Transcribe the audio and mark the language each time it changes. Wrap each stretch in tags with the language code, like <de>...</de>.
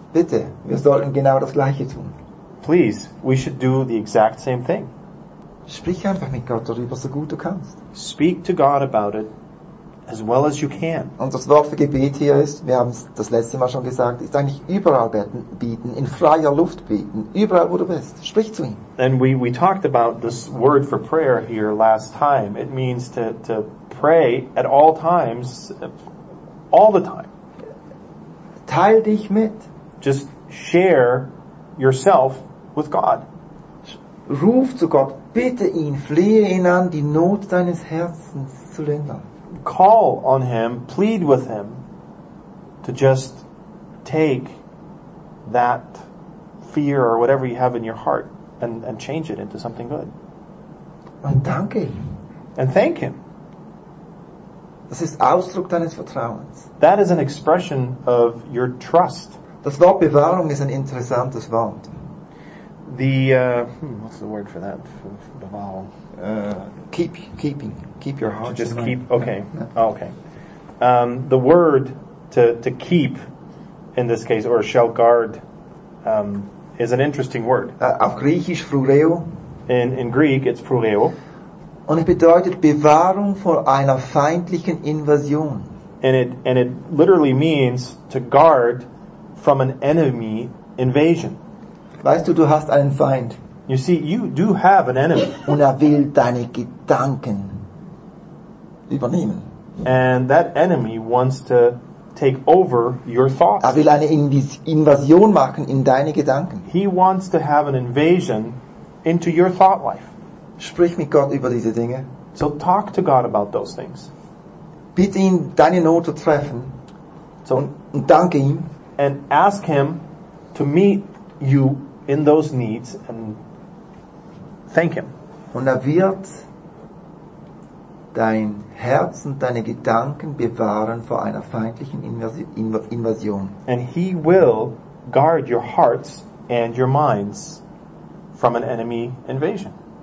<de>Bitte, wir sollten genau das Gleiche tun.</de> <en>Please, we should do the exact same thing.</en> <de>Sprich einfach mit Gott darüber, so gut du kannst.</de> <en>Speak to God about it as well as you can.</en> <de>Und das Wort für Gebet hier ist, wir haben es das letzte Mal schon gesagt, ist eigentlich überall beten, in freier Luft beten, überall wo du bist. Sprich zu ihm.</de> <en>And we talked about this word for prayer here last time. It means to pray at all times, all the time.</en> <de>Teil dich mit.</de> <en>Just share yourself with God.</en> <de>Ruf zu Gott, bitte ihn, flehe ihn an, die Not deines Herzens zu lindern.</de> <en>Call on him, plead with him to just take that fear or whatever you have in your heart and change it into something good.</en> <de>Und danke ihm.</de> <en>And thank him.</en> <de>Das ist Ausdruck deines Vertrauens.</de> <en>That is an expression of your trust.</en> <de>Das Wort Bewahrung ist ein interessantes Wort.</de> <en>What's the word for that? Bewahrung. Keeping. Keep your heart. Just keep. Okay. Yeah. Oh, okay. The word to keep in this case, or shall guard, is an interesting word.</en> <de>Auf Griechisch phrureo.</de> <en>In Greek, it's phrureo.</en> <de>Und es bedeutet Bewahrung vor einer feindlichen Invasion.</de> <en>And it literally means to guard from an enemy invasion.</en> <de>Weißt du hast einen Feind.</de> <en>You see, you do have an enemy.</en> <de>Und er will deine Gedanken übernehmen.</de> <en>And that enemy wants to take over your thoughts.</en> <de>Er will eine Invasion machen in deine Gedanken.</de> <en>He wants to have an invasion into your thought life.</en> <de>Sprich mit Gott über diese Dinge.</de> <en>So talk to God about those things.</en> <de>Bitte ihn, deine Not zu treffen.</de> <en>So,</en> <de>und danke ihm.</de> <en>And ask him to meet you in those needs and thank him.</en> <de>Und er wird dein Herz und deine Gedanken bewahren vor einer feindlichen Invasion.</de> <en>And he will guard your hearts and your minds from an enemy invasion.</en>